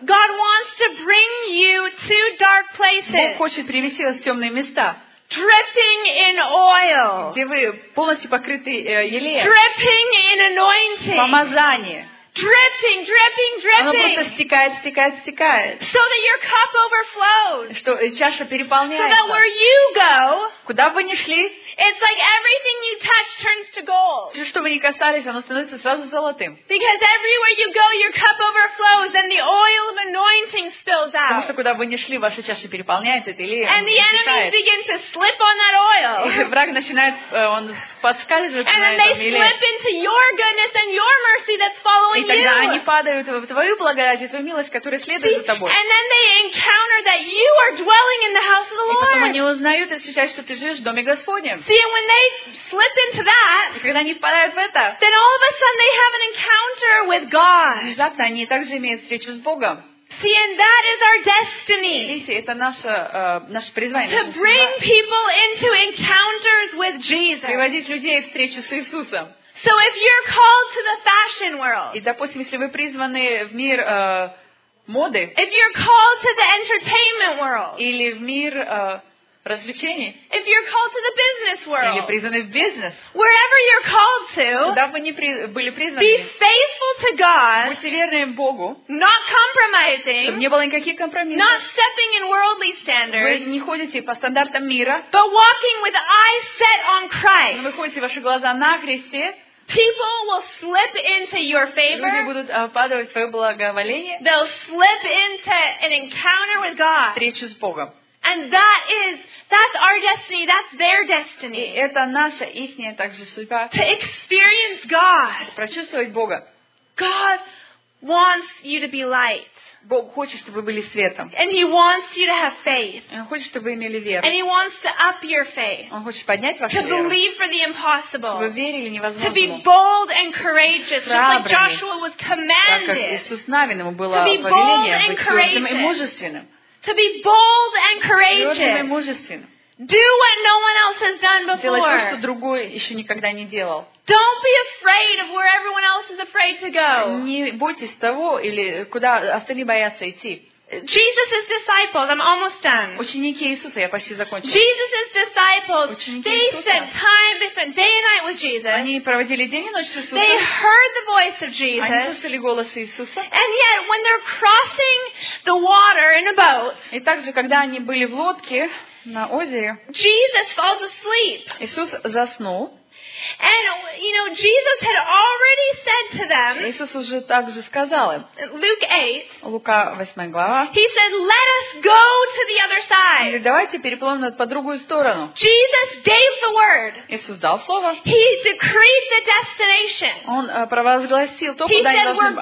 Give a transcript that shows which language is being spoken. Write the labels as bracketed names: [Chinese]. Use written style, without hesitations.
[English] God wants to bring you to dark places. [Russian] Бог хочет привести вас в темные места. [English] Dripping in oil. [Russian] Где вы полностью покрыты елеем. [English] Dripping in anointing. [Russian] Помазание. [English] Dripping, dripping, dripping. [Russian] Оно просто стекает, стекает, стекает. [English] So that your cup overflows. [Russian] Что чаша переполняется. [English] So that where you go, [Russian] куда бы ни шли, [English] it's like everything you touch turns to gold. [Russian] Все, что вы ни касались, оно становится сразу золотым. [English] Because everywhere you go, your cup overflows and the oil of anointing spills out. [Russian] Потому что куда бы ни шли, ваша чаша переполняется этой елеем. [English] And the enemy begins to slip on that oil. [Russian] И враг начинает, он подскальзывается на этом елее. [English] And then they slip into your goodness and your mercy that's following. [Russian] И тогда они падают в твою благодать и твою милость, которая следует за тобой. [English] And then they encounter that you are dwelling in the house of the Lord. [Russian] И потом они узнают и встречают, что ты живешь в доме Господнем. [English] See, and when they slip into that, [Russian] и когда они впадают в это, [English] then all of a sudden they have an encounter with God. [Russian] Внезапно они также имеют встречу с Богом. [English] See, and that is our destiny. [Russian] Видите, это наше наше призвание. [English] To bring people into encounters with Jesus. [Russian] Приводить людей в встречу с Иисусом. [English] So if you're called to the fashion world, [Russian] и допустим, если вы призваны в мир моды, [English] if you're called to the entertainment world, [Russian] или в мир развлечений, [English] if you're called to the business world, [Russian] или призваны в бизнес, [English] wherever you're called to, [Russian] куда бы ни были призваны, [English] be faithful to God, [Russian] будьте верными Богу, [English] not compromising, [Russian] чтобы не было никаких компромиссов, [English] not stepping in worldly standards, [Russian] вы не ходите по стандартам мира, [English] but walking with eyes set on Christ, [Russian] но вы ходите ваши глаза на Христе. [English] People will slip into your favor. [Russian] Люди будут падать в твое благоволение. [English] They'll slip into an encounter with God. [Russian] Встречу с Богом. [English] And that's our destiny. That's their destiny. [Russian] И это наша истинная также судьба. [English] To experience God. [Russian] Прочувствовать Бога. [English] God wants you to be light. [Russian] Бог хочет, чтобы вы были светом. [English] And he wants you to have faith. [Russian] Он хочет, чтобы вы имели веру. [English] And he wants to up your faith. [Russian] Он хочет поднять вашу веру. [English] To believe for the impossible. [Russian] Чтобы вы верили невозможному. [English] To be bold and courageous, just like Joshua was commanded. [Russian] Так как Иисус Навин, ему было повеление быть твердым и мужественным. [English] To be bold and courageous. [Russian] Твердым и мужественным. [English] Do what no one else has done before. [Russian] Делать то, что другой еще никогда не делал. [English] Don't be afraid of where everyone else is afraid to go. [Russian] Не бойтесь того или куда остальные боятся идти. [English] Jesus' disciples, I'm almost done. [Russian] Ученики Иисуса, я почти закончила. [English] Jesus' disciples, they spent time, they spent day and night with Jesus. [Russian] Они проводили день и ночь с Иисусом. [English] They heard the voice of Jesus. [Russian] Они слышали голос Иисуса. [English] And yet, when they're crossing the water in a boat. [Russian] И также, когда они были в лодке. На озере. [English] Jesus falls asleep. [Russian] Иисус заснул. [English] And you know, Jesus had already said to them. [Russian] Иисус уже также сказал им. [English] Luke 8. [Russian] Лука 8 глава. [English] He said, "Let us go to the other side." [Russian] Давайте переплывем по другую сторону. [English] Jesus gave the word. [Russian] Иисус дал слово. [English] He decreed the destination. [Russian] Он провозгласил то, куда они должны отправиться.